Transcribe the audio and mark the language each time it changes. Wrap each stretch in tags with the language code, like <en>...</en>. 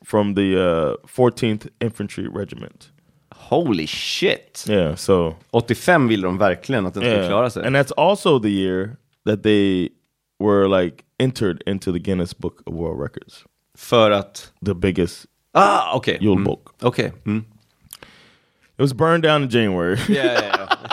<en>From the 14th Infantry Regiment. Holy shit. Yeah, so</en> <sv>85 vill de verkligen att den ska klara sig.</sv> <en>And that's also the year that they were like entered into the Guinness Book of World Records.</en> <sv>För att</sv> <en>the biggest. Ah, okay.</en> <sv>Julbok.</sv> <en>Okay. It was burned down in January. Yeah.</en>